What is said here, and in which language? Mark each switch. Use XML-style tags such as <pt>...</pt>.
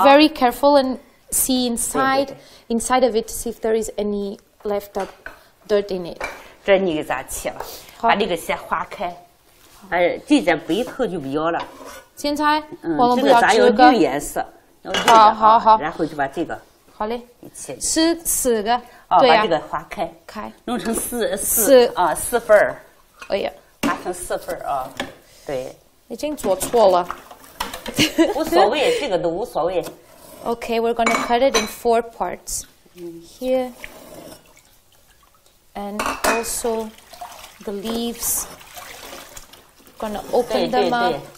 <en>very careful and see inside, inside of it to see if there is any left up dirt in it.</en> <zh>这你给咋切了？把这个先划开，这边鼻头就不要了。青菜，我们不要这个。好好好。然后就把这个，好嘞，切。吃四个，对呀。把这个划开，开。弄成四份儿。哎呀。</zh> <en>Okay, we're going to cut it in four parts. Here. And also the leaves. Going to open them up.</en>